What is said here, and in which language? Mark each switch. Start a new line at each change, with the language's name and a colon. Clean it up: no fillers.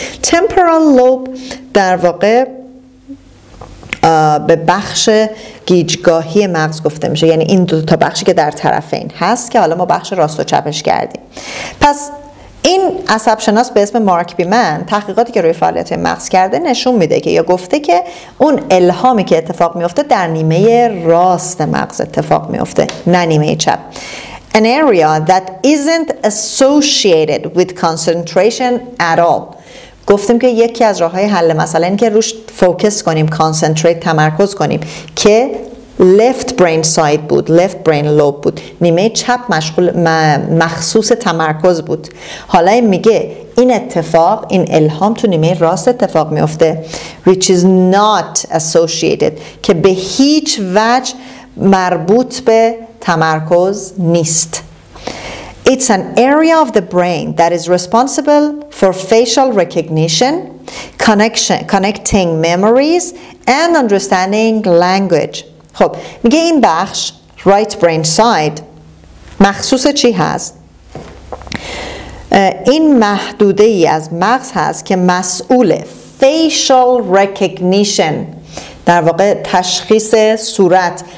Persian: Temporal lobe در واقع به بخش گیجگاهی مغز گفته میشه، یعنی این دو تا بخشی که در طرفین هست که حالا ما بخش راست و چپش کردیم. پس این عصب شناس به اسم مارک بیمن تحقیقاتی که روی فعالیت مغز کرده نشون میده که، یا گفته که، اون الهامی که اتفاق میفته در نیمه راست مغز اتفاق میفته، نه نیمه چپ.
English: An area that isn't associated with concentration at all.
Persian: گفتیم که یکی از راه‌های حل مسئله این که روش فوکس کنیم، concentrate، تمرکز کنیم، که
English: left brain side
Persian: بود،
English: left brain lobe
Persian: بود، نیمه چپ مشغول مخصوص تمرکز بود. حالا این میگه این اتفاق، این الهام تو نیمه راست اتفاق میفته،
English: which is not associated،
Persian: که به هیچ وجه مربوط به تمرکز نیست.
English: It's an area of the brain that is responsible for facial recognition, connecting memories and understanding language.
Persian: خب میگه این بخش،
English: right brain side،
Persian: مخصوص چی هست؟ این محدوده ای از مغز هست که مسئول
English: facial recognition.
Persian: در واقع تشخیص صورت.